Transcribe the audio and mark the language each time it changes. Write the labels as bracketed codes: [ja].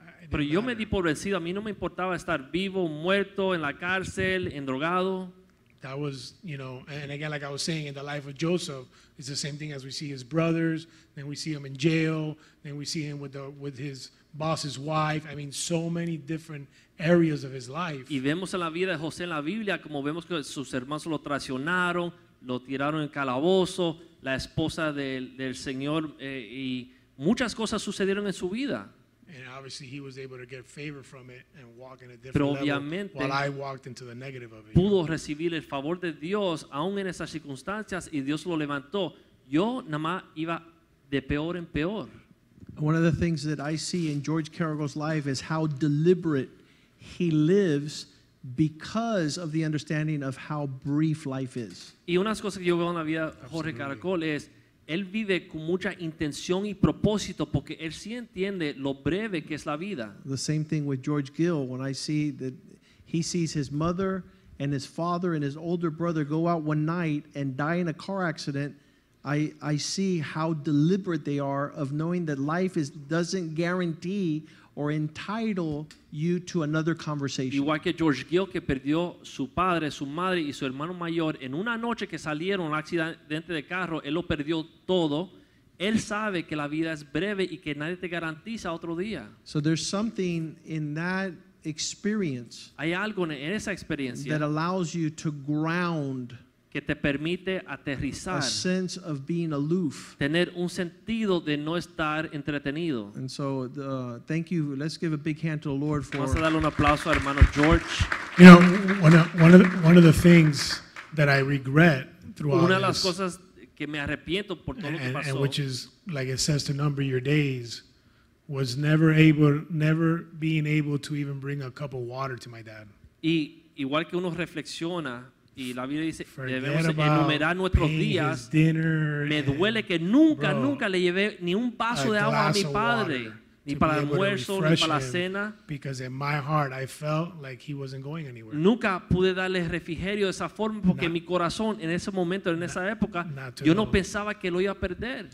[es] Pero yo me di por vencido. A mí no me importaba estar vivo, muerto, en la cárcel, en drogado. [en] That was, you know, and again, like I was saying, in the life of Joseph, it's the same thing as we see his brothers, then we see him in jail, then we see him with his boss's wife. I mean, so many different areas of his life. [es] Y vemos en la vida de José en la Biblia, como vemos que sus hermanos lo traicionaron, lo tiraron en calabozo, la esposa del Señor, y muchas cosas sucedieron en su vida. [en] And obviously he was able to get favor from it and walk in a different level while I walked into the negative of it. [es] Pudo recibir el favor de Dios aún en esas circunstancias y Dios lo levantó. Yo nada más iba de peor en peor. [en] One of the things that I see in George Carrigal's life is how deliberate he lives because of the understanding of how brief life is. [es] Y unas cosas que yo veo en la vida de Jorge Caracol es él vive con mucha intención y propósito porque él sí entiende lo breve que es la vida. [en] The same thing with George Gill. When I see that he sees his mother and his father and his older brother go out one night and die in a car accident, I see how deliberate they are of knowing that life doesn't guarantee or entitle you to another conversation. [es] Igual que George Gill, que perdió su padre, su madre y su hermano mayor en una noche que salieron un accidente de carro, él lo perdió todo. Él sabe que la vida es breve y que nadie te garantiza otro día. [en] So there's something in that experience. [es] Hay algo en esa experiencia [en] that allows you to ground, [es] que te permite aterrizar, [en] a sense of being aloof, [es] tener un sentido de no estar entretenido. [en] And so, thank you. Let's give a big hand to the Lord for. [es] Vamos a darle un aplauso a hermano George. [en] You know, one of the things that I regret through all this. [es] Una de las cosas que me arrepiento por todo lo que pasó. [en] And which is, like it says, to number your days, was never being able to even bring a cup of water to my dad. [es] Y igual que uno reflexiona. Y la Biblia dice, debemos enumerar nuestros días. Me duele que nunca, [en] bro, [es] nunca le llevé ni un vaso de agua a mi padre, ni para el almuerzo, ni para la cena. [en] Because in my heart, I felt like he wasn't going anywhere. [es] Nunca pude darle refrigerio de esa forma, porque en mi corazón, en ese momento, en esa época, yo no pensaba que lo iba a perder.